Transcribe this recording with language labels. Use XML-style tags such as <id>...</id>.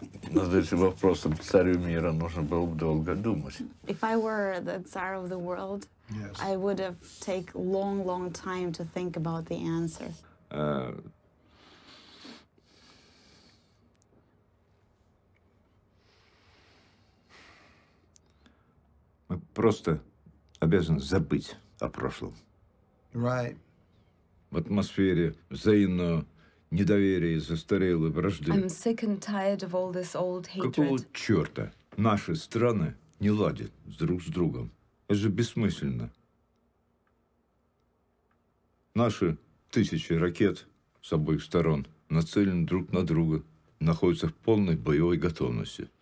<ru>Над этим вопросом царю мира нужно было бы долго думать.</ru> <en>If I were the Tsar of the world, yes. I would have take long, long time to think about the answer.</en> <ru>Мы просто обязаны забыть о прошлом.</ru> <en>Right.</en> <ru>В атмосфере взаимного недоверия и застарелой вражды.</ru> <en>I'm sick and tired of all this old hatred.</en> <ru>Какого черта наши страны не ладят друг с другом? Это же бессмысленно. Наши тысячи ракет с обоих сторон нацелены друг на друга, находятся в полной боевой готовности.</ru>